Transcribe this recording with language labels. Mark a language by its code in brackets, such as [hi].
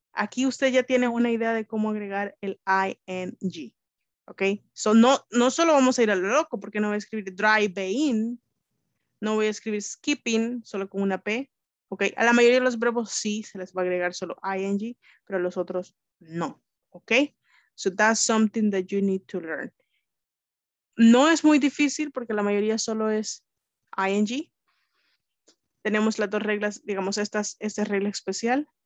[es] Aquí usted ya tiene una idea de cómo agregar el ing. Okay. So, no solo vamos a ir a lo loco porque no voy a escribir driving. No voy a escribir skipping solo con una P. Okay. A la mayoría de los verbos sí se les va a agregar solo ing, pero a los otros no. Okay. [en] So, that's something that you need to learn. [es] No es muy difícil porque la mayoría solo es ing. Tenemos las dos reglas, digamos, esta regla especial.